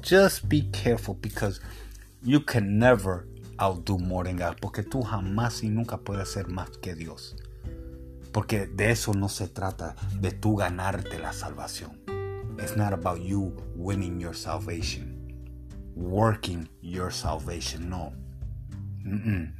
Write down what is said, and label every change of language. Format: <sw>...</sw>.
<en>Just be careful, because you can never outdo more than God.</en> <es>Porque tú jamás y nunca puedes hacer más que Dios. Porque de eso no se trata, de tú ganarte la salvación.</es> <en>It's not about you winning your salvation, working your salvation. No. Mm-mm.</en>